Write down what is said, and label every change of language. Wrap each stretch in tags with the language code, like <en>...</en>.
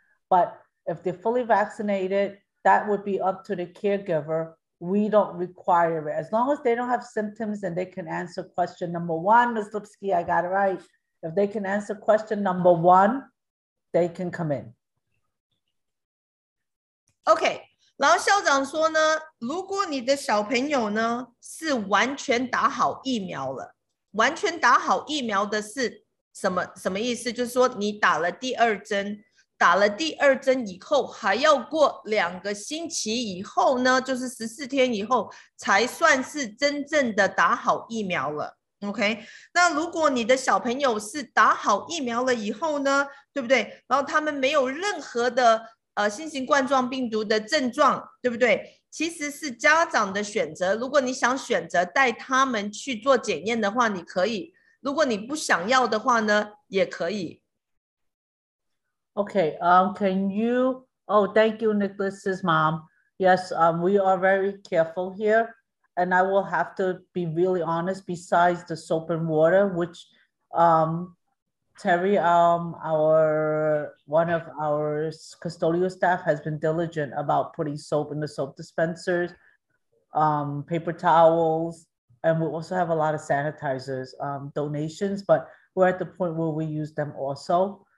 <en>But if they're fully vaccinated, that would be up to the caregiver. We don't require it. As long as they don't have symptoms and they can answer question number one, Ms. Lipsky, I got it right. If they can answer question number one, they can come in. Okay.</en> <zh>然后校长说呢，如果你的小朋友呢，是完全打好疫苗了，完全打好疫苗的是什么意思？就是说你打了第二针。打了第二针以后还要过两个星期以后呢，就是14天以后才算是真正的打好疫苗了。 OK， 那如果你的小朋友是打好疫苗了以后呢，对不对，然后他们没有任何的新型冠状病毒的症状，对不对，其实是家长的选择。如果你想选择带他们去做检验的话你可以，如果你不想要的话呢也可以。</zh> <en>Okay, can you, oh, thank you, Nicholas's mom. Yes, we are very careful here. And I will have to be really honest, besides the soap and water, which Terry, one of our custodial staff has been diligent about putting soap in the soap dispensers, paper towels, and we also have a lot of sanitizers donations, but we're at the point where we use them also.</en>